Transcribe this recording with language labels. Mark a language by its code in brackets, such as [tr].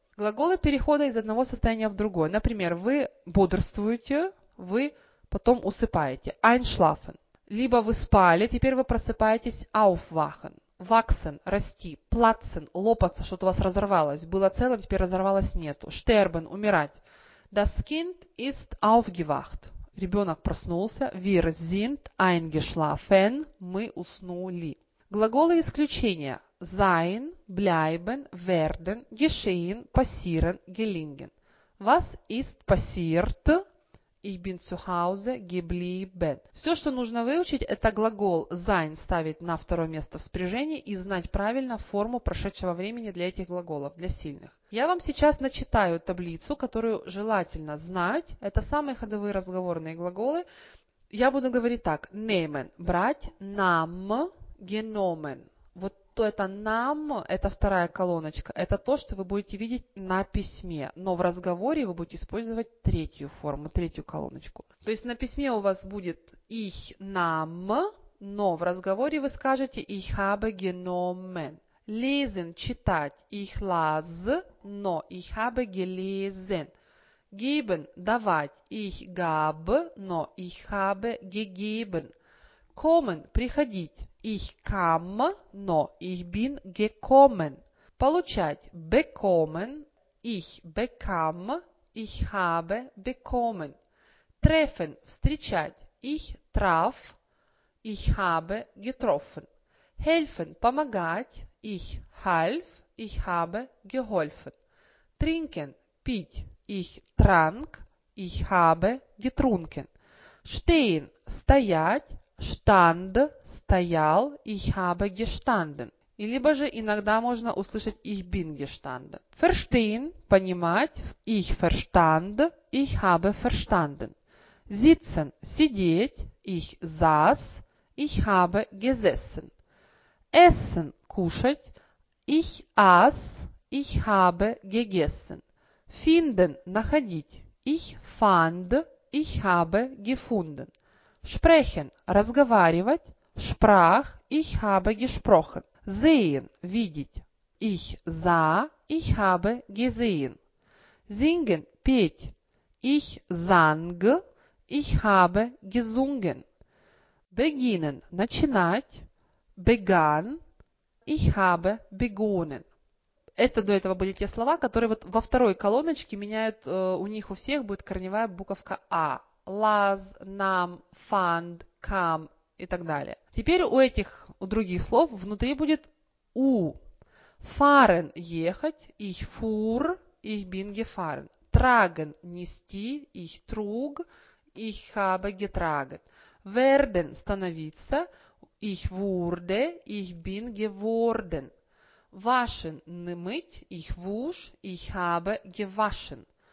[ru] Глаголы перехода из одного состояния в другое. Например, вы бодрствуете, вы потом усыпаете – «einschlafen». Либо вы спали, теперь вы просыпаетесь – «aufwachen». Wachsen – расти, platzen – лопаться, что-то у вас разорвалось, было целым, теперь разорвалось – нету. Sterben – умирать. [de] Das Kind ist aufgewacht. [ru] Ребенок проснулся. [de] Wir sind eingeschlafen. [ru] Мы уснули. Глаголы исключения. [de] Sein, bleiben, werden, geschehen, passieren, gelingen. Was ist passiert? Ich bin zu Hause geblieben. [ru] Все, что нужно выучить, это глагол sein ставить на второе место в спряжении и знать правильно форму прошедшего времени для этих глаголов, для сильных. Я вам сейчас начитаю таблицу, которую желательно знать. Это самые ходовые разговорные глаголы. Я буду говорить так. Nehmen – брать. [de] Nam – genommen. [ru] Вот то это нам, это вторая колоночка, это то, что вы будете видеть на письме. Но в разговоре вы будете использовать третью форму, третью колоночку. То есть на письме у вас будет [de] ich nam, [ru] но в разговоре вы скажете [de] ich habe genommen. Lesen – читать, ich las, но ich habe gelesen. Geben – давать, ich gab, но ich habe gegeben. [ru] Kommen – приходить. [de] Ich kam, но ich bin gekommen. [ru] Получать – bekommen. [de] Ich bekam, ich habe bekommen. [ru] Treffen – встречать. [de] Ich traf, ich habe getroffen. [ru] Helfen – помогать. [de] Ich half, ich habe geholfen. [ru] Trinken – пить. [de] Ich trank, ich habe getrunken. [ru] Stehen – стоять. [de] Stand – стоял, ich habe gestanden. [ru] И либо же иногда можно услышать [de] ich bin gestanden. Verstehen – понимать, ich verstand, ich habe verstanden. Sitzen – сидеть, ich saß, ich habe gesessen. Essen – кушать, ich aß, ich habe gegessen. Finden – находить, ich fand, ich habe gefunden. Sprechen – разговаривать, sprach, ich habe gesprochen. Sehen – видеть, ich sah, ich habe gesehen. Singen – петь, ich sang, ich habe gesungen. Beginnen – начинать, begann, ich habe begonnen. [ru] Это до этого были те слова, которые вот во второй колоночке меняют, у них у всех будет корневая буковка «а». [de] Las, nam, fand, kam и так далее. [ru] Теперь у этих, у других слов внутри будет u. [de] Fahren – ехать, ich fuhr, ich bin gefahren. Tragen – нести, ich trug, ich habe getragen. Werden – становиться, ich wurde, ich bin geworden. Waschen – мыть, ich wusch, ich habe gewaschen.